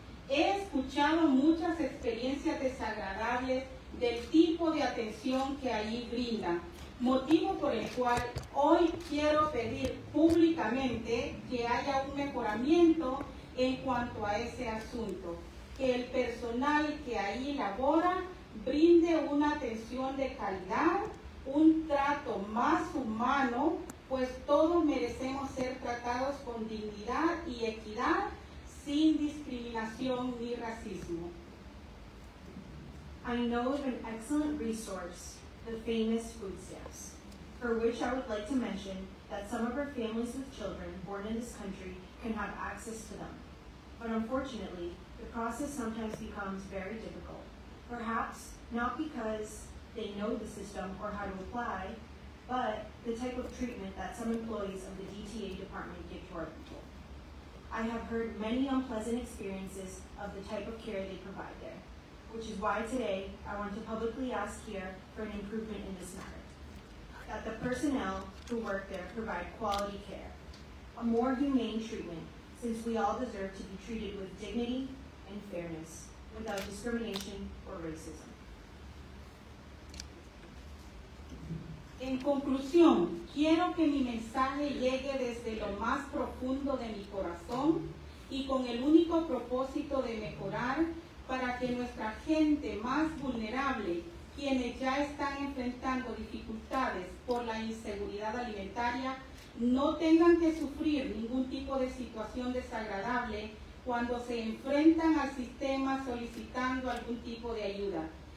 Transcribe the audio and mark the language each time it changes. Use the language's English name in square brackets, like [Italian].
[Spanish] He escuchado muchas experiencias desagradables del tipo de atención que allí brinda, motivo por el cual hoy quiero pedir públicamente que haya un mejoramiento en cuanto a ese asunto, que el personal que allí labora brinde una atención de calidad, un trato más humano, pues todos merecemos ser tratados con dignidad y equidad, sin discriminación ni racismo. [English] I know of an excellent resource, the famous food stamps, for which I would like to mention that some of our families with children born in this country can have access to them. But unfortunately, the process sometimes becomes very difficult, perhaps not because they know the system or how to apply, but the type of treatment that some employees of the DTA department give to our people. I have heard many unpleasant experiences of the type of care they provide there, which is why today I want to publicly ask here for an improvement in this matter, that the personnel who work there provide quality care, a more humane treatment, since we all deserve to be treated with dignity and fairness, without discrimination or racism. [Spanish] En conclusión, quiero que mi mensaje llegue desde lo más profundo de mi corazón y con el único propósito de mejorar para que nuestra gente más vulnerable, quienes ya están enfrentando dificultades por la inseguridad alimentaria, no tengan que sufrir ningún tipo de situación desagradable cuando se enfrentan al sistema solicitando algún tipo de ayuda.